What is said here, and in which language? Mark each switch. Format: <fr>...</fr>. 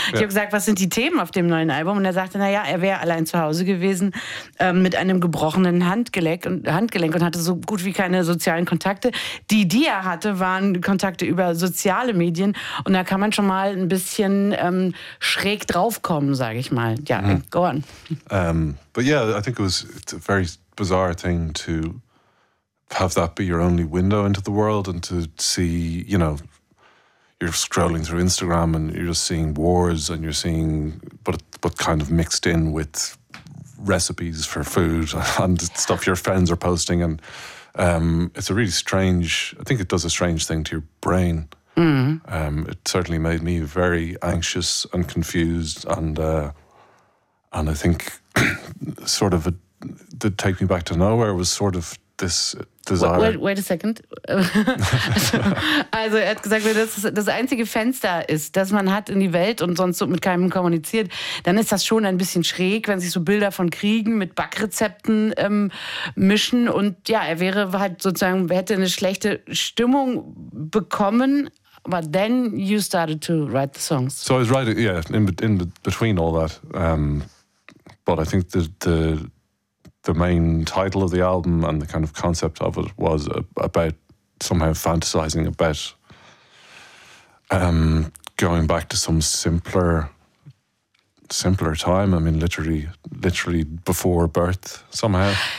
<de>Ich habe gesagt, was sind die Themen auf dem neuen Album? Und er sagte, naja, er wäre allein zu Hause gewesen mit einem gebrochenen Handgelenk und hatte so gut wie keine sozialen Kontakte. Die er hatte, waren Kontakte über soziale Medien. Und da kann man schon mal ein bisschen schräg draufkommen, sage ich mal.</de> <en>Ja, go on. But yeah, I think it's a very bizarre thing to have that be your only window into the world and to see, you know, you're scrolling through Instagram and you're just seeing wars and you're seeing, but kind of mixed in with recipes for food and stuff your friends are posting. And it's a really strange, I think it does a strange thing to your brain. Mm-hmm. It certainly made me very anxious and confused. And I think sort of the Take Me Back to Nowhere was sort of this... Wait a second.</en> <de>Also er hat gesagt, wenn das das einzige Fenster ist, das man hat in die Welt und sonst so mit keinem kommuniziert, dann ist das schon ein bisschen schräg, wenn sich so Bilder von Kriegen mit Backrezepten mischen. Und ja, er wäre halt sozusagen, hätte eine schlechte Stimmung bekommen.</de> <en>But then you started to write the songs. So I was writing, in between all that. But I think the main title of the album and the kind of concept of it was about somehow fantasizing about going back to some simpler time. I mean, literally before birth somehow.</en>